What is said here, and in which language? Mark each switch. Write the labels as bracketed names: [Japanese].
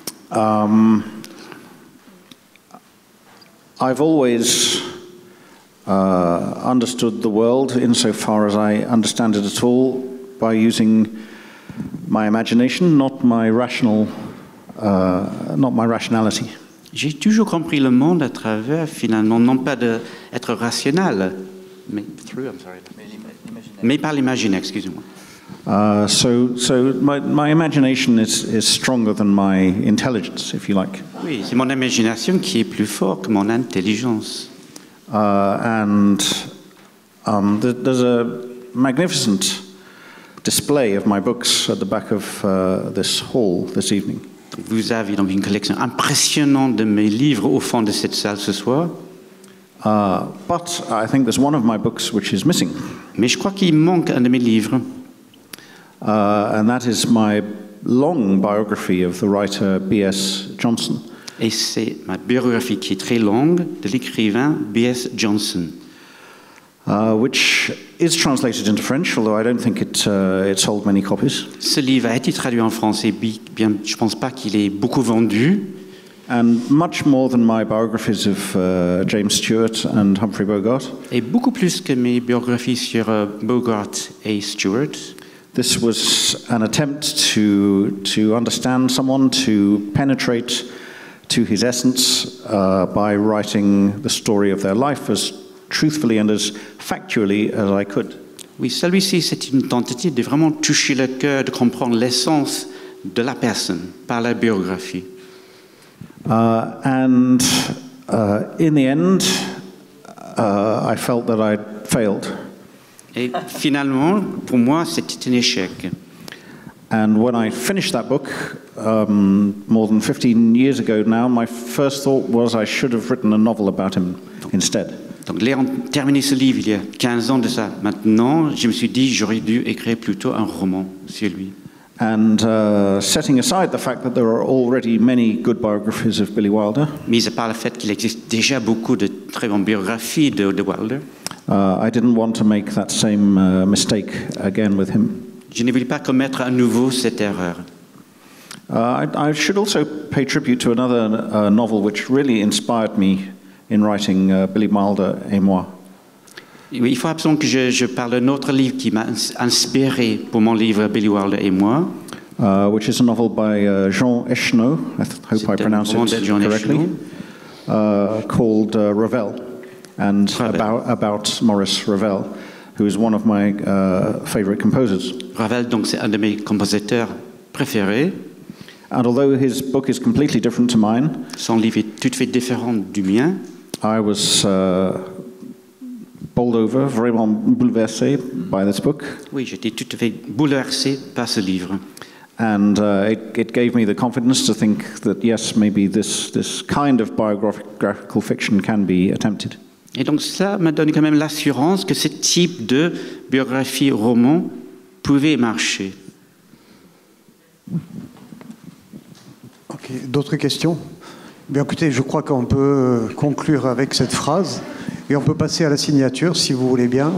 [English] I've always understood the world insofar as I understand it at all by using my imagination, not my rationality. [French] J'ai toujours compris le monde à travers finalement non pas de être rationnel, mais [English] through, I'm sorry. [French] Mais par l'imaginaire, excusez-moi. [English] So my imagination is stronger than my intelligence, if you like. [French] Oui, c'est mon imagination qui est plus fort que mon intelligence. [English] There's a magnificent display of my books at the back of this hall this evening. [French] Vous avez donc une collection impressionnante de mes livres au fond de cette salle ce soir. [English] But I think there's one of my books which is missing. [French] Mais je crois qu'il manque un de mes livres. [English] And that is my long biography of the writer B.S. Johnson. [French] Et c'est ma biographie qui est très longue de l'écrivain B.S. Johnson. [English] Which is translated into French, although I don't think it sold many copies. [French] Ce livre a été traduit en français, bien je pense pas qu'il ait beaucoup vendu. [English] And much more than my biographies of James Stewart and Humphrey Bogart. [French] Et beaucoup plus que mes biographies sur Bogart et Stewart. [English] This was an attempt to understand someone, to penetrate to his essence by writing the story of their life as truthfully and as factually as I could. [French] Oui, celui-ci, c'est une tentative de vraiment toucher le cœur, de comprendre l'essence de la personne par la biographie. [English] In the end, I felt that I'd failed. [French] Et finalement, pour moi, c'était un échec. [English] And when I finished that book, more than 15 years ago now, my first thought was I should have written a novel about him instead. [French] Donc, l'ayant terminé ce livre il y a 15 ans de ça, maintenant, je me suis dit j'aurais dû écrire plutôt un roman sur lui. [English] And setting aside the fact that there are already many good biographies of Billy Wilder, [French] mis à part le fait qu'il existe déjà beaucoup de très bonnes biographies de Wilder, [English] I didn't want to make that same mistake again with him. [French] Je ne voulais pas commettre à nouveau cette erreur. [English] I should also pay tribute to another novel which really inspired me in writing Billy Wilder et moi. [French] Il faut absolument que je parle d'un autre livre qui m'a inspiré pour mon livre Billy Wilder et moi. [English] Which is a novel by Jean Echeneau, I hope [French] c'est [English] I pronounce it Jean correctly, called Ravel, and [French] Ravel. [English] About Maurice Ravel, who is one of my favorite composers. [French] Ravel, donc, c'est un de mes compositeurs préférés. [English] And although his book is completely different to mine, [French] son livre est tout à fait différent du mien, [English] I was... bowled over, [French] vraiment bouleversé [English] by this book. [French] Oui, j'étais tout à fait bouleversé par ce livre. [English] And it gave me the confidence to think that yes, maybe this kind of biographical fiction can be attempted. [French] Et donc ça m'a donné quand même l'assurance que ce type de biographie roman pouvait marcher. Ok, d'autres questions? Bien, écoutez, je crois qu'on peut conclure avec cette phrase et on peut passer à la signature si vous voulez bien.